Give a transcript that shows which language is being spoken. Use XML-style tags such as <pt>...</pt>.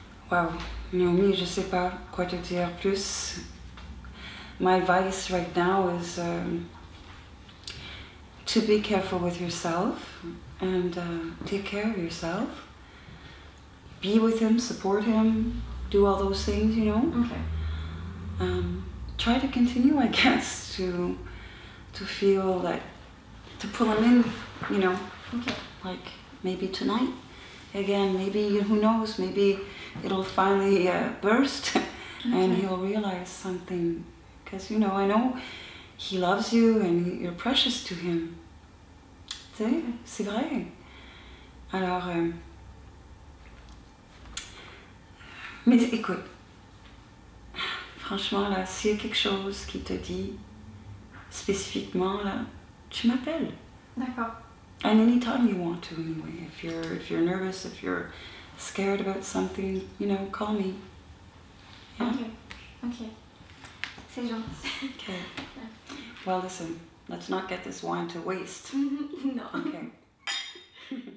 <fr>Wow, Noemie, je sais pas quoi te dire plus.</fr> <en>My advice right now is to be careful with yourself and take care of yourself. Be with him, support him, do all those things, you know? Okay. Try to continue, I guess, to feel that, to pull him in, you know? Okay. Like, maybe tonight again, maybe, who knows, maybe it'll finally burst. Okay. And he'll realize something. Because, you know, I know he loves you and you're precious to him.</en> <fr>Tu sais, c'est vrai. Alors, mais écoute, franchement, là, s'il y a quelque chose qui te dit spécifiquement, là, tu m'appelles. D'accord.</fr> <en>And anytime you want to, anyway. If you're nervous, if you're scared about something, you know, call me. Yeah?</en> <fr>Okay. C'est gentil.</fr> <en>Okay. Well, listen, let's not get this wine to waste. No. Okay.</en>